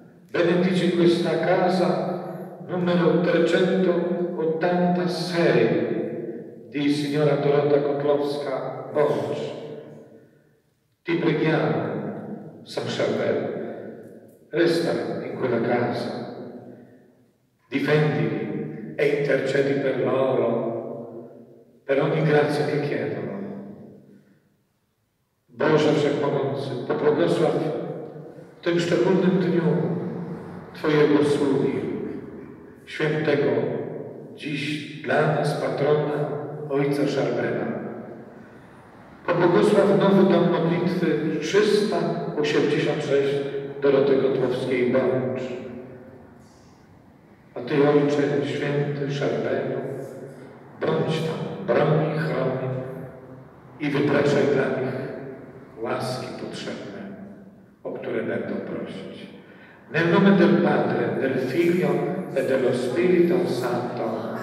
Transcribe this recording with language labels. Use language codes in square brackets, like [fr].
[it] Benedici questa casa numero 386 di signora Dorota Kotlowska Bosch. Ti preghiamo, San Charbel, resta in quella casa, difendili e intercedi per loro, per ogni grazia che chiedono. [pl] Boże Wszechmogący, pobłogosław tym szczególnym dniu Twojego sługi, świętego dziś dla nas patrona ojca Charbela. Pobłogosław nowy dom modlitwy 386 Doroty Kotłowskiej Bącz. A Ty, Ojcze Święty Charbelu, bądź tam, broni, chroni i wypraszaj dla nich łaski potrzebne, o które będą prosić. [it] Nel nome del Padre, del Figlio e dello Spirito Santo.